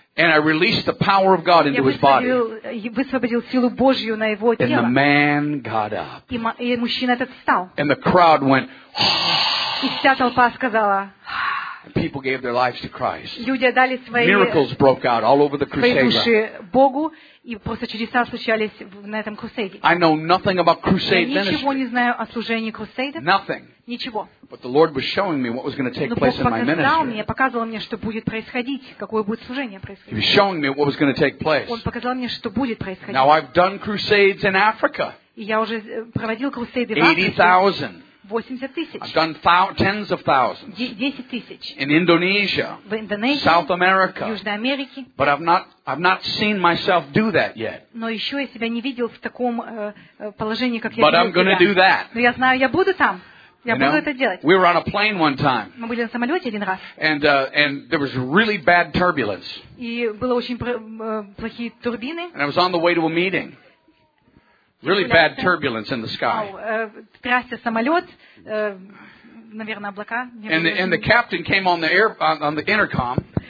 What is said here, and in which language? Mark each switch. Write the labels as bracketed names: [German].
[English] And I released the power of God into his body. [Russian] Я высвободил силу Божью на его тело. [English] And the man got up. [Russian] И мужчина этот встал. [English] And the crowd went. [Russian] И вся толпа сказала. [English] People gave their lives to Christ. [Russian] Люди отдали свои. [English] Miracles broke out all over the crusade. [Russian] Богу. И просто чудеса случались на этом крусейде. [English] I know nothing about crusade ministry. [Russian] Я ничего не знаю о служении крусейда. [English] Nothing. [Russian] Ничего. [English] But the Lord was showing me what was going to take place in my ministry. [Russian] Но Бог показал мне, что будет происходить, какое будет служение происходить. [English] He was showing me what was going to take place. [Russian] Он показал мне, что будет происходить. [English] Now I've done crusades in Africa. [Russian] И я уже проводил крусейды в Африке. 80,000. 80 тысяч. [English] I've done tens of thousands. [Russian] 10 тысяч. [English] In Indonesia. [Russian] В Индонезии. [English] South America. [Russian] Южной Америке. [English] But I've not seen myself do that yet. [Russian] Но еще я себя не видел в таком положении, как я. [English] But I'm going to do that. [Russian] Но я знаю, я буду там. Я буду это делать. [English] We were on a plane one time. [Russian] Мы были на самолете один раз. [English] And there was really bad turbulence. [Russian] И было очень плохие турбины. [English] And I was on the way to a meeting. Really bad turbulence in the sky. [Russian] Трясся самолет, наверное, облака. [English] And the captain came on the air on the intercom.